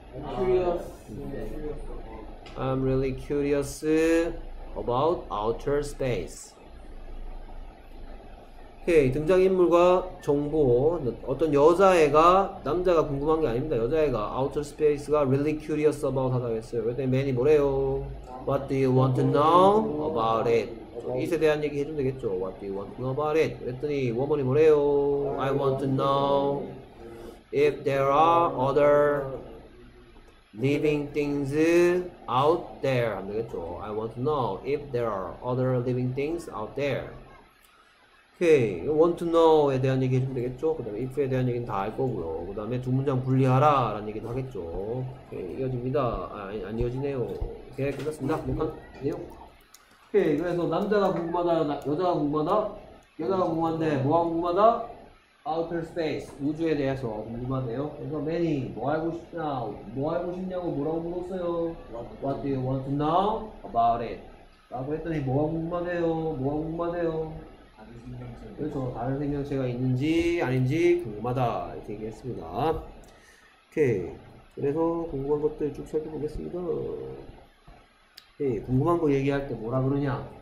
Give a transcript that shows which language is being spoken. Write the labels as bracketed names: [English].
[English] I'm really curious about outer space. [Korean] 오케이, 등장인물과 정보. 어떤 여자애가, 남자가 궁금한 게 아닙니다. [English] 여자애가 outer space가 really curious about [Korean] 하다고 했어요. 그랬더니 맨이 뭐래요? [English] What do you want to know about it? [Korean] 이에 대한 얘기 해주면 되겠죠. [English] What do you want to know about it? [Korean] 그랬더니 워머니 뭐래요? [English] I want to know if there are other living things out there. [Korean] 하면 되겠죠. [English] I want to know if there are other living things out there. [Korean] 오케이. [English] Want to know [Korean] 에 대한 얘기 해주면 되겠죠. 그 다음에 if에 대한 얘기는 다 알 거고요. 그 다음에 두 문장 분리하라 라는 얘기도 하겠죠. 오케이. 이어집니다. 아, 안 이어지네요. 오케이. 끝났습니다. 녹화 내용. 오케이. 그래서 남자가 궁금하다, 여자가 궁금하다? 여자가 궁금한데 뭐가 궁금하다? [English] Outer space. [Korean] 우주에 대해서 궁금하대요. 그래서 many. 뭐 알고 싶냐? 뭐 알고 싶냐고 뭐라고 물었어요? [English] What do you want to know about it? [Korean] 라고 했더니 뭐가 궁금하대요? 뭐가 궁금하대요? 그렇죠. 다른 생명체가 있는지 아닌지 궁금하다 이렇게 얘기했습니다. 오케이. 그래서 궁금한 것들 쭉 살펴보겠습니다. 오케이. 궁금한 거 얘기할 때 뭐라 그러냐?